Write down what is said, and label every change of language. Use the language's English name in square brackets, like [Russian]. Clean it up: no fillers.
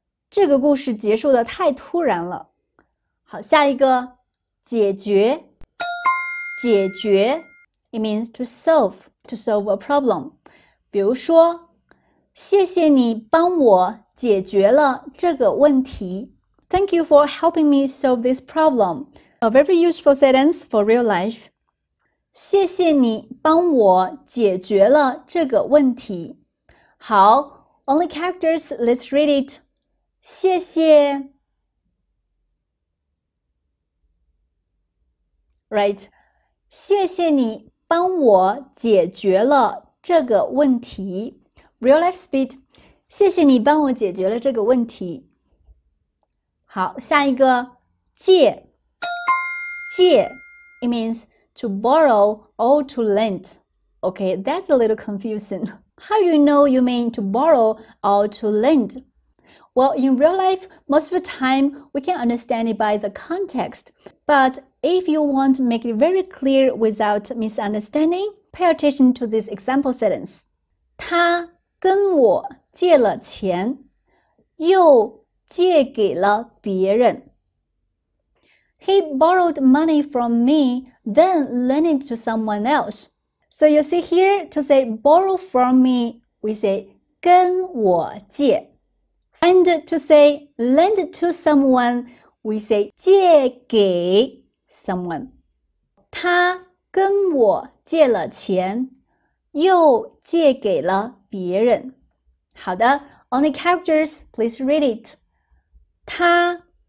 [Chinese] 这个故事结束的太突然了。好下一个解决。解决。 [English] It means to solve a problem. [Chinese] 比如说谢谢你帮我解决了这个问题。 [English] Thank you for helping me solve this problem. A very useful sentence for real life. [Chinese] 谢谢你帮我解决了这个问题。好 [English] only characters, let's read it. [Chinese] 谢谢 [English] Right [Chinese] 谢谢你帮我解决了这个问题 [English] Real life speed [Chinese] 谢谢你帮我解决了这个问题。好，下一个， [English] 借，借 ，it means to borrow or to lend. Okay, that's a little confusing. How do you know you mean to borrow or to lend? Well, in real life, most of the time, we can understand it by the context. But if you want to make it very clear without misunderstanding, pay attention to this example sentence. [Chinese] 他跟我借了钱，又借给了别人。 [English] He borrowed money from me, then lent it to someone else. So you see here, to say borrow from me, we say 跟我借。 And to say lend to someone, we say 借给 someone. [Chinese] 他跟我借了钱，又借给了别人。 [English] 好的 ,only characters, please read it. [Chinese] 他